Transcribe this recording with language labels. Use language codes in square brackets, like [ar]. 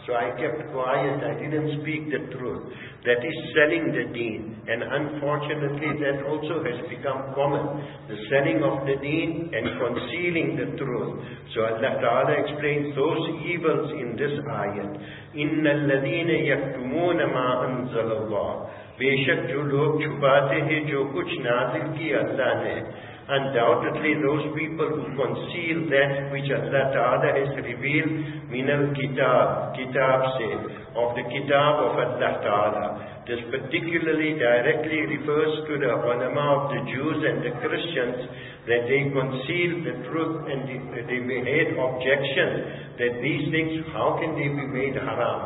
[en] So I kept quiet, I didn't speak the truth. That is selling the deen. And unfortunately that also has become common. The selling of the deen and concealing the truth. So Allah Ta'ala explains those evils in this ayat. [ar] إِنَّ الَّذِينَ يَكْتُمُونَ مَا أَنزَلَ اللَّهُ [ur] بے شک جو لوگ چھپاتے ہیں جو کچھ نازل کی اللہ نے. [en] Undoubtedly those people who conceal that which Allah Ta'ala has revealed [ar] من الكتاب [ur] کتاب سے [en] of the kitab of Allah Ta'ala. This particularly directly refers to the ulama of the Jews and the Christians, that they conceal the truth and they made objections that these things, how can they be made haram?